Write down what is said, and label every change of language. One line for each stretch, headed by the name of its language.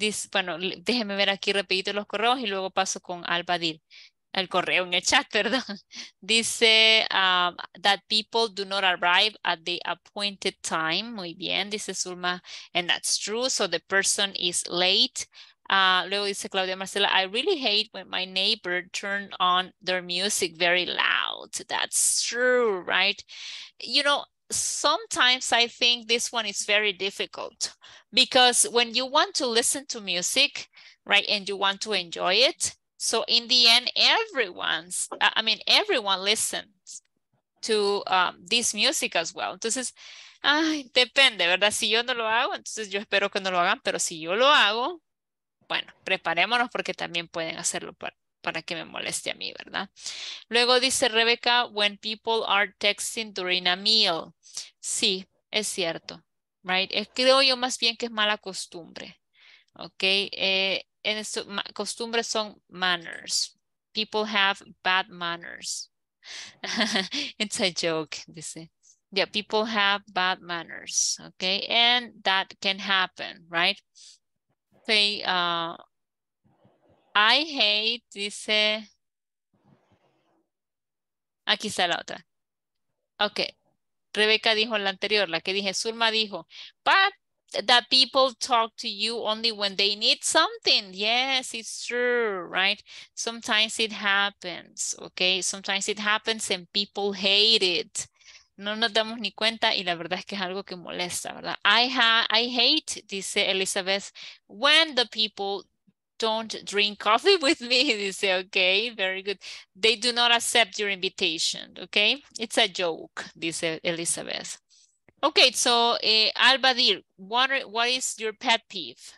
Spanish: Bueno, déjeme ver aquí rapidito los correos y luego paso con Alba Dil. El correo en el chat, perdón.
English: Dice that people do not arrive at the appointed time.
Spanish: Muy bien,
English: dice Zulma. And that's true, so the person is late.
Spanish: Luego dice
English: Claudia Marcela, I really hate when my neighbor turned on their music very loud. That's true, right? You know, sometimes I think this one is very difficult, because when you want to listen to music, right, and you want to enjoy it, so in the end, everyone listens to this music as well.
Spanish: Entonces, depende, ¿verdad? Si yo no lo hago, entonces yo espero que no lo hagan, pero si yo lo hago, bueno, preparémonos porque también pueden hacerlo para que me moleste a mí, ¿verdad? Luego dice
English: Rebeca, when people are texting during a meal.
Spanish: Sí, es cierto, right? Creo yo más bien que es mala costumbre, ¿ok? Costumbres son
English: manners. People have bad manners. It's a joke, dice. Yeah, people have bad manners, ¿ok? And that can happen, right? Say, I hate, dice.
Spanish: Aquí está la otra. Ok. Rebeca dijo la anterior, la que dije, Zulma dijo,
English: but that people talk to you only when they need something. Yes, it's true, right? Sometimes it happens, okay? Sometimes it happens and people hate it.
Spanish: No nos damos ni cuenta y la verdad es que es algo que molesta, ¿verdad?
English: I hate, dice Elizabeth, when the people don't drink coffee with me, dice, okay, very good. They do not accept your invitation, okay? It's a joke, dice Elizabeth. Okay, so Alba Dir, what is your pet peeve?